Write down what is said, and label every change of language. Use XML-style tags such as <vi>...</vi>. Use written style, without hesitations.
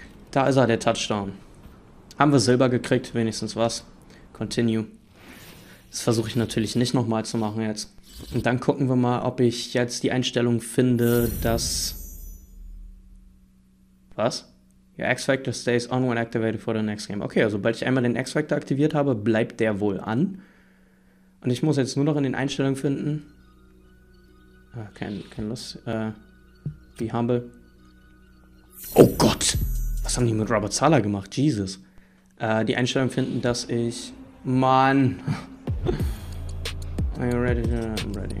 <de>Da ist er, der Touchdown. Haben wir Silber gekriegt, wenigstens was. Continue. Das versuche ich natürlich nicht nochmal zu machen jetzt. Und dann gucken wir mal, ob ich jetzt die Einstellung finde, dass... Was?</de> <en>Your X-Factor stays on when activated for the next game.</en> <de>Okay, also sobald ich einmal den X-Factor aktiviert habe, bleibt der wohl an. Und ich muss jetzt nur noch in den Einstellungen finden. Kein Lust.</de> <en>Be humble.</en> <de>Oh Gott! Was haben die mit Robert Saleh gemacht? Jesus. Die Einstellung finden, dass ich... Mann!</de> <en>Are you ready? I'm ready.</en>